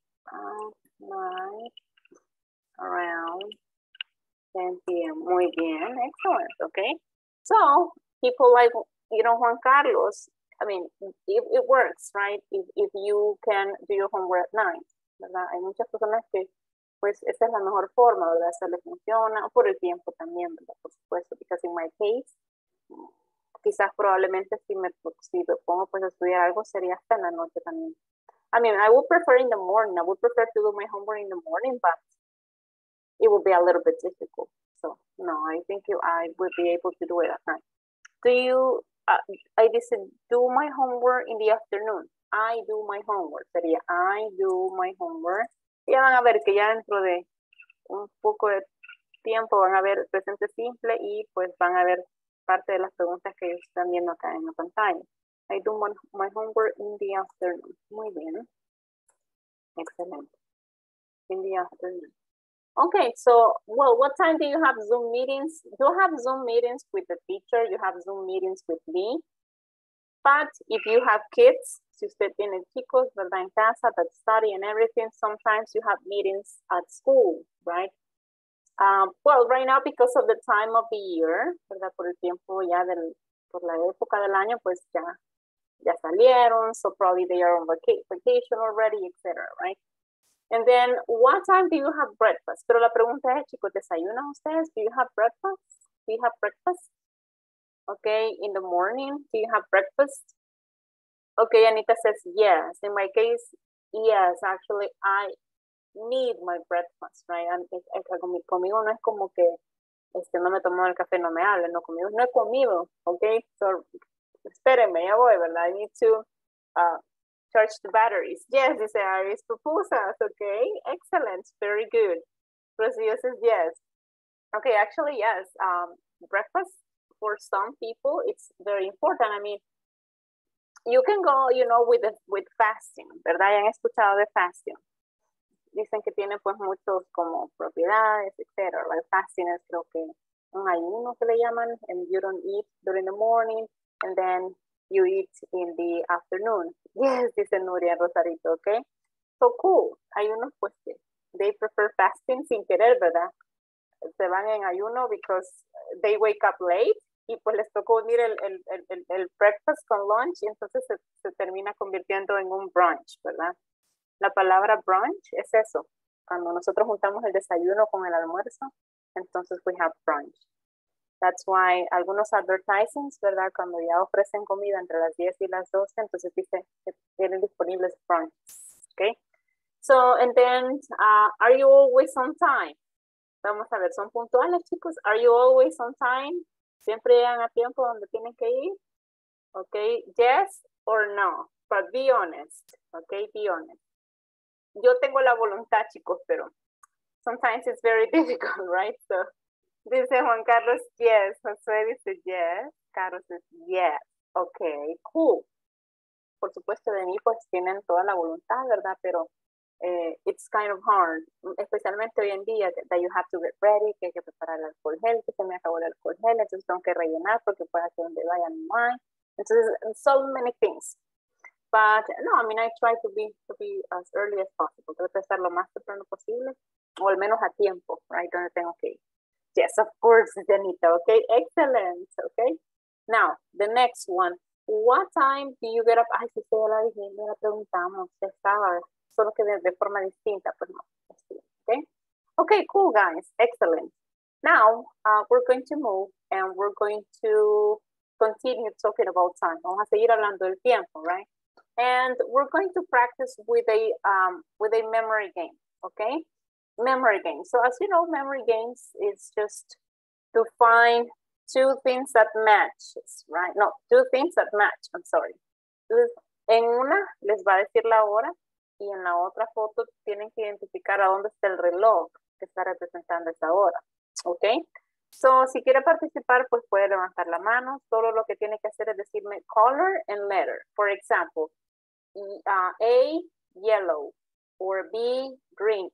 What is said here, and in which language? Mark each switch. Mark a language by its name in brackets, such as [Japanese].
[English] At night, around 10 p.m. [Spanish] Muy bien. [English] Excellent. Okay. So, people like, you know, Juan Carlos, I mean, it works, right? If you can do your homework at night. [Spanish] ¿Verdad? Hay muchas personas que... Pues esa es la mejor forma, ¿verdad? Se le funciona, por el tiempo también, ¿verdad? Por supuesto, [English] because in my case, [Spanish] quizás probablemente si me pongo pues a estudiar algo, sería hasta en la noche también. [English] I mean, I would prefer in the morning, I would prefer to do my homework in the morning, but it would be a little bit difficult. So, no, I think I would be able to do it at night. Do you, I just do my homework in the afternoon. I do my homework, sería I do my homework. [Spanish] Ya van a ver que ya dentro de un poco de tiempo van a ver presente simple y pues van a ver parte de las preguntas que están viendo acá en la pantalla. [English] I do my homework in the afternoon. [Spanish] Muy bien. Excelente. [English] In the afternoon. Okay, so, well, what time do you have Zoom meetings? You have Zoom meetings with the teacher. You have Zoom meetings with me. But if you have kids... [Spanish] Si usted tiene chicos, ¿verdad? En casa, [English] that study and everything. Sometimes you have meetings at school, right? Well, right now, because of the time of the year, [Spanish] ¿verdad? Por el tiempo ya del, por la época del año, pues ya salieron. [English] So probably they are on vacation already, etc., right? And then, what time do you have breakfast? [Spanish] Pero la pregunta es, chicos, ¿desayunan ustedes? [English] Do you have breakfast? Do you have breakfast? Okay, in the morning, do you have breakfast? Okay, Anita says, yes. In my case, yes, actually, I need my breakfast, right? [Spanish] And conmigo no es como que no me tomo el café, no me hable, no conmigo, no he comido, okay? [English] So, [Spanish] espérenme, ya voy, ¿verdad? [English] I need to charge the batteries. Yes, dice Iris, pupusas, okay? Excellent, very good. Rocío says, yes. Okay, actually, yes, breakfast for some people, it's very important. I mean, you can go, you know, with fasting, [Spanish] ¿verdad? ¿Han escuchado de fasting? Dicen que tiene, pues, muchos como propiedades, etc. [English] Like fasting [Spanish] es creo que un ayuno que le llaman, [English] and you don't eat during the morning, and then you eat in the afternoon. Yes, dice Nuria Rosarito, okay? So cool. [Spanish] Hay unos, pues, que [English] they prefer fasting [Spanish] sin querer, ¿verdad? Se van en ayuno [English] because they wake up late. [Spanish] Y pues les tocó unir el breakfast con lunch y entonces se termina convirtiendo en un brunch, ¿verdad? La palabra brunch es eso. Cuando nosotros juntamos el desayuno con el almuerzo, entonces [English] we have brunch. That's why [Spanish] algunos advertisements, ¿verdad? Cuando ya ofrecen comida entre las 10 y las 12, entonces dice que tienen disponibles brunch. [English] Okay? So So, and then, are you always on time? [Spanish] Vamos a ver, ¿son puntuales, chicos? [English] Are you always on time? [Spanish] ¿Siempre llegan a tiempo donde tienen que ir? [English] Okay, yes or no, but be honest, okay, be honest. [Spanish] Yo tengo la voluntad, chicos, pero [English] sometimes it's very difficult, right? So, dice Juan Carlos, yes. José dice, yes. Carlos dice, yes. Okay, cool. [Spanish] Por supuesto, de mí, pues, tienen toda la voluntad, ¿verdad? Pero [English] it's kind of hard, [Spanish] especialmente hoy en día, [English] that you have to get ready, [Spanish] que hay que preparar el alcohol gel, que se me acabó el alcohol gel, entonces tengo que rellenar porque puede ser donde vaya mi mind. [English] Entonces, so many things. But, no, I mean, I try to be as early as possible. [Spanish] Trato de estar lo más temprano posible, o al menos a tiempo, [English] right? [Spanish] Donde tengo que ir. [English] Yes, of course, Janita, okay? Excellent, okay? Now, the next one. What time do you get up? [Spanish] Ay, si usted ya la dije, me la preguntamos. Estaba, solo que de forma distinta, pues no. [English] Okay? Okay, cool, guys. Excellent. Now, we're going to move, and we're going to continue talking about time. [Spanish] Vamos a seguir hablando del tiempo, [English] right? And we're going to practice with a memory game, okay? Memory game. So as you know, memory games is just to find two things that match, right? No, two things that match, I'm sorry. [Spanish] En una les va a decir la hora y en la otra foto tienen que identificar a dónde está el reloj que está representando esa hora, okay? So, si quiere participar, pues puede levantar la mano. Solo lo que tiene que hacer es decirme [English] color and letter. For example, A, yellow, or B, green.